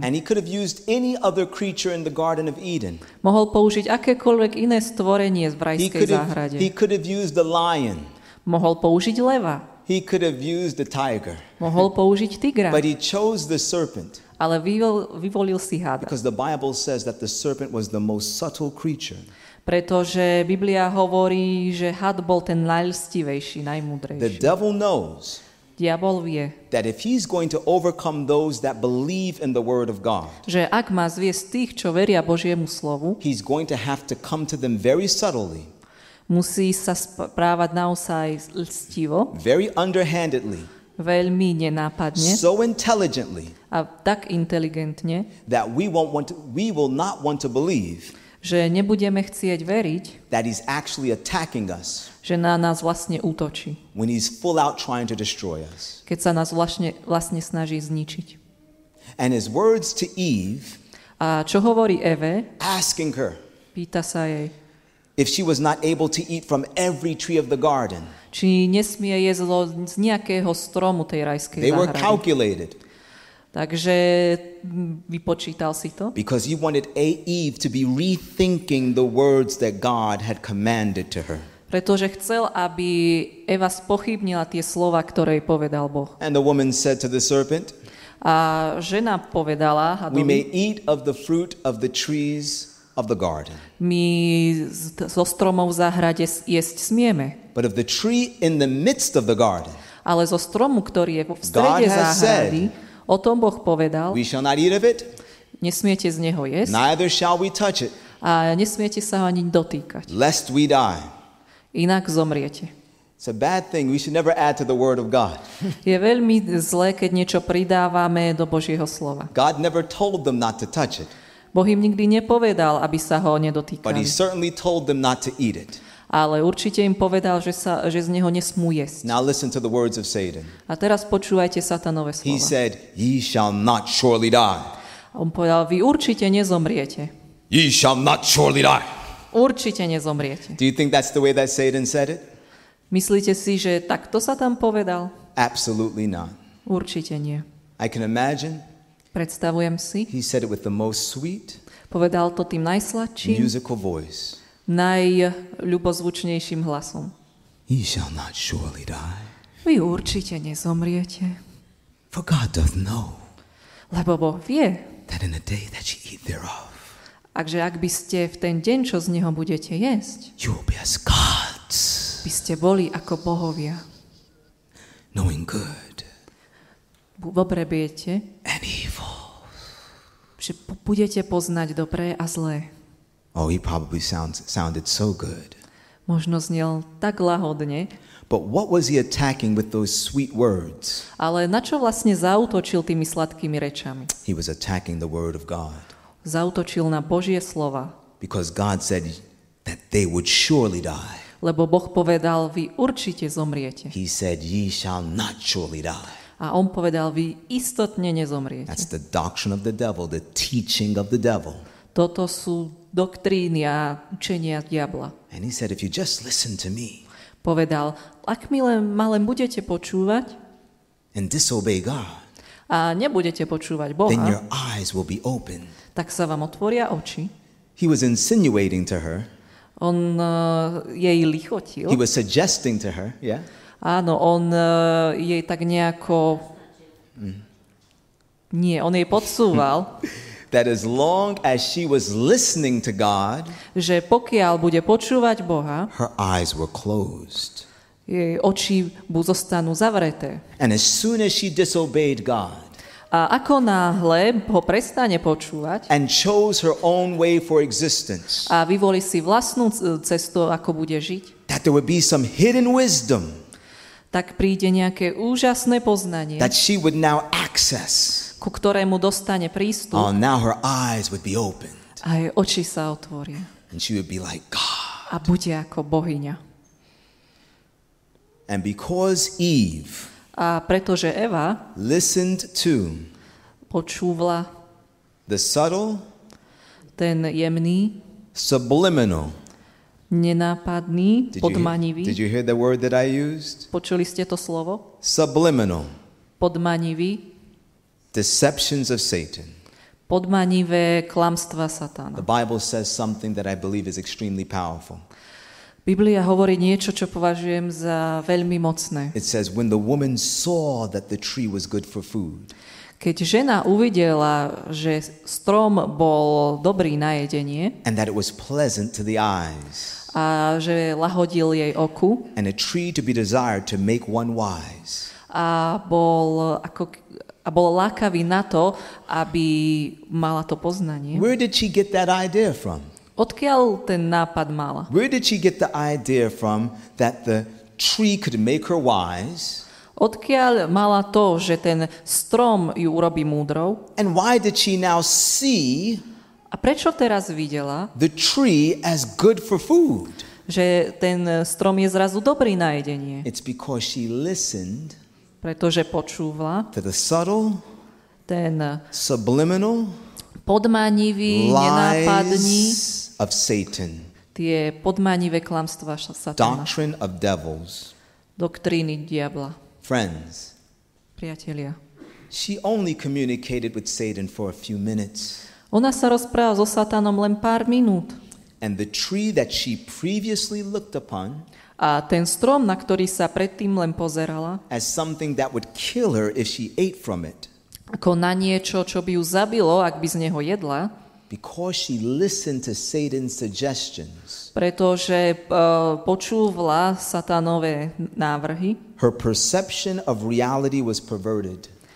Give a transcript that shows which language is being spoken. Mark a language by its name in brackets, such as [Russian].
[English] And he could have used any other creature in the Garden of Eden. [Slovak] Mohol použiť akékoľvek iné stvorenie v rajskej záhrade. [English] He could have used the lion. [Slovak] Mohol použiť leva. [English] He could have used the tiger. [Slovak] Mohol použiť tigra. [English] But he chose the serpent. [Slovak] Ale vyvolil si hada. [English] Because the Bible says that the serpent was the most subtle creature. [Slovak] Pretože Biblia hovorí, že had bol ten najlstivejší, najmudrejší. [English] The devil knows. [Slovak] Diabol vie. [English] That if he's going to overcome those that believe in the word of God. [Slovak] Že ak má zviesť tých, čo veria Božiemu slovu. [English] He's going to have to come to them very subtly. [Slovak] Musí sa správať naozaj lstivo. [English] Very underhandedly. [Slovak] Veľmi nenápadne. [English] So intelligently. [Slovak] A tak inteligentne. [English] That we will not want to believe. [Slovak] Že nebudeme chcieť veriť. [English] That he's actually attacking us. [Slovak] Že na nás vlastne útočí. [English] When he's full out trying to destroy us. [Slovak] Keď sa nás vlastne snaží zničiť. [English] And his words to Eve. [Slovak] A čo hovorí Eve? [English] Asking her. [Slovak] Pýta sa jej. [English] If she was not able to eat from every tree of the garden. [Slovak] Či nesmie jesť z nejakého stromu tej rajskej záhrady. [English] They were calculated. [Slovak] Takže vypočítal si to? [English] Because he wanted Eve to be rethinking the words that God had commanded to her. [Slovak] Pretože chcel, aby Eva spochybnila tie slova, ktoré jej povedal Boh. [English] And the woman said to the serpent. [Slovak] A žena povedala hadovi. [English] We may eat of the fruit of the trees of the garden. [Slovak] My zo stromov v záhrade jesť smieme. [English] But of the tree in the midst of the garden. [Slovak] Ale zo stromu, ktorý je v strede záhrady. O tom Boh povedal. [English] We shall not eat of it. [Slovak] Nesmiete z neho jesť. [English] Neither shall we touch it. [Slovak] A nesmiete sa ho ani dotýkať. [English] Lest we die. [Slovak] Inak zomriete. [English] It's a bad thing. We should never add to the word of God. [Slovak] Je veľmi zlé, keď niečo pridávame do Božieho slova. [English] God never told them not to touch it. [Slovak] Boh im nikdy nepovedal, aby sa ho nedotýkali. [English] But he certainly told them not to eat it. [Slovak] Ale určite im povedal, že z neho nesmú jesť. [English] Now listen to the words of Satan. [Slovak] A teraz počúvajte Satanove slova. [English] He said, ye shall not surely die. [Slovak] A on povedal, vy určite nezomriete. [English] Ye shall not surely die. [Slovak] Určite nezomriete. [English] Do you think that's the way that Satan said it? [Slovak] Myslíte si, že takto sa tam povedal? [English] Absolutely not. [Slovak] Určite nie. [English] I can imagine. [Slovak] Predstavujem si. [English] He said it with the most sweet. [Slovak] Povedal to tým najsladším. [English] Musical voice. [Slovak] Najľubozvučnejším hlasom. [English] He shall not surely die. [Slovak] Vy určite nezomriete. [English] For God doth know. [Slovak] Lebo Boh vie. [English] That in the day that you eat thereof. [Slovak] Akže ak by ste v ten deň, čo z neho budete jesť. [English] You will be as gods. [Slovak] By ste boli ako bohovia. [English] Knowing good. [Slovak] Dobre viete. [English] And evil. [Slovak] Že budete poznať dobré a zlé. [English] Oh, he probably sounded so good. [Slovak] Možno znel tak lahodne. [English] But what was he attacking with those sweet words? [Slovak] Ale na čo vlastne zaútočil tými sladkými rečami? [English] He was attacking the word of God. [Slovak] Zaútočil na Božie slova. [English] Because God said that they would surely die. [Slovak] Lebo Boh povedal, vy určite zomriete. [English] He said, ye shall not surely die. [Slovak] A on povedal, vy istotne nezomriete. [English] That's the doctrine of the devil, the teaching of the devil. [Slovak] Toto sú doktríny a učenia diabla. [English] And he said, if you just listen to me, [Slovak] povedal, ak mi len malé budete počúvať [English] and disobey God, [Slovak] a nebudete počúvať Boha, [English] then your eyes will be open. [Slovak] Tak sa vám otvoria oči. [English] He was insinuating to her. [Slovak] On jej lichotil. [English] He was suggesting to her, yeah. [Slovak] Áno, on jej tak nejako... Nie, on jej podsúval. [English] That as long as she was listening to God, [Slovak] že pokiaľ bude počúvať Boha, [English] her eyes were closed. [Slovak] Jej oči mu zostanú zavreté. [English] And as soon as she disobeyed God, [Slovak] a ako náhle ho prestane počúvať, [English] and chose her own way for existence, [Slovak] a vyvolí si vlastnú cestu, ako bude žiť, [English] that there would be some hidden wisdom, [Slovak] tak príde nejaké úžasné poznanie, [English] that she would now access, [Slovak] ku ktorému dostane prístup. [English] Oh, now her eyes would be opened. [Slovak] A jej oči sa otvoria. [English] And she would be like God. [Slovak] A bude ako bohyňa. [English] And because Eve, [Slovak] a pretože Eva, [English] listened to, [Slovak] počúvla, [English] the subtle, [Slovak] ten jemný, [English] subliminal, [Slovak] nenápadný, podmanivý. [English] Did you hear the word that I used? [Slovak] Počuli ste to slovo? [English] Subliminal. [Slovak] Podmanivý. [English] Deceptions of Satan. [Slovak] Podmanivé klamstva Satana. [English] The Bible says something that I believe is extremely powerful. [Slovak] Biblia hovorí niečo, čo považujem za veľmi mocné. [English] It says when the woman saw that the tree was good for food. [Slovak] Keď žena uvidela, že strom bol dobrý na jedenie, [English] and that it was pleasant to the eyes, [Slovak] a že lahodil jej oku, [English] and a tree to be desired to make one wise, [Slovak] a bol ako, a bol lákavý na to, aby mala to poznanie. [English] Where did she get that idea from? [Slovak] Odkiaľ ten nápad mala? [English] Where did she get the idea from that the tree could make her wise? [Slovak] Odkiaľ mala to, že ten strom ju urobí múdrou? [English] And why did she now see? [Slovak] A prečo teraz videla? [English] The tree as good for food. [Slovak] Že ten strom je zrazu dobrý na jedenie. [English] It's because she listened. [Slovak] Pretože počúvala. [English] To the subtle, [Slovak] ten [English] subliminal, [Slovak] podmanivý, nenápadný, [English] of Satan. [Slovak] Tie podmanivé klamstvá Satana. [English] Doctrine of devils. [Slovak] Doktríny diabla. [English] Friends. [Slovak] Priatelia. [English] She only communicated with Satan for a few minutes. [Slovak] Ona sa rozprávala so Satanom len pár minút. [English] And the tree that she previously looked upon, [Slovak] a ten strom, na ktorý sa predtým len pozerala, [English] as something that would kill her if she ate from it, [Slovak] ako na niečo, čo by ju zabilo, ak by z neho jedla, [English] because she listened to Satan's suggestions, [Slovak] pretože počúvala Satanove návrhy, [English] her perception of reality was perverted,